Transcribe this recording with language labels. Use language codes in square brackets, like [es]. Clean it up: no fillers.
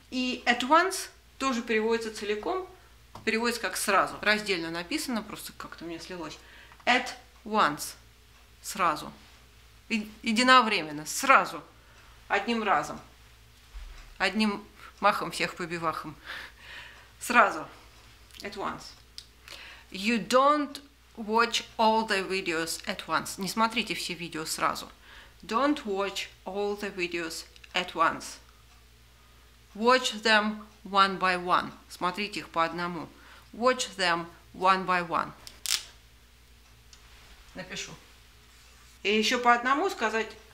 [ru] И [en] at once [ru] тоже переводится целиком. Переводится как сразу. Раздельно написано, просто как-то у меня слилось. [en] At once. [ru] Сразу. Единовременно. Сразу. Одним разом. Одним махом всех побивахом. Сразу. [en] At once. You don't watch all the videos at once. [ru] Не смотрите все видео сразу. [en] Don't watch all the videos at once. Watch them one by one. [ru] Смотрите их по одному. [en] Watch them one by one. [ru] Напишу. И еще по одному сказать.